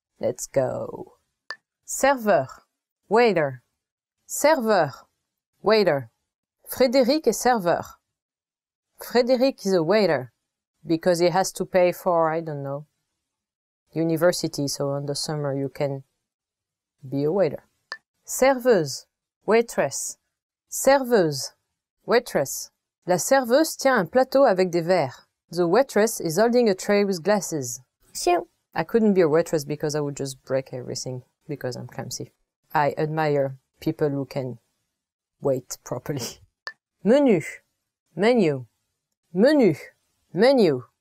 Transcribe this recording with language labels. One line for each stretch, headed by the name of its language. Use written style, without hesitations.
English: Let's go! Serveur. Waiter. Serveur. Waiter. Frédéric est serveur. Frédéric is a waiter. Because he has to pay for, I don't know, university, so in the summer you can be a waiter. Serveuse. Waitress. Serveuse. Waitress.
French: La serveuse tient un plateau avec des verres.
English: The waitress is holding a tray with glasses. Sure. I couldn't be a waitress because I would just break everything because I'm clumsy. I admire people who can wait properly. Menu. Menu. Menu. Menu.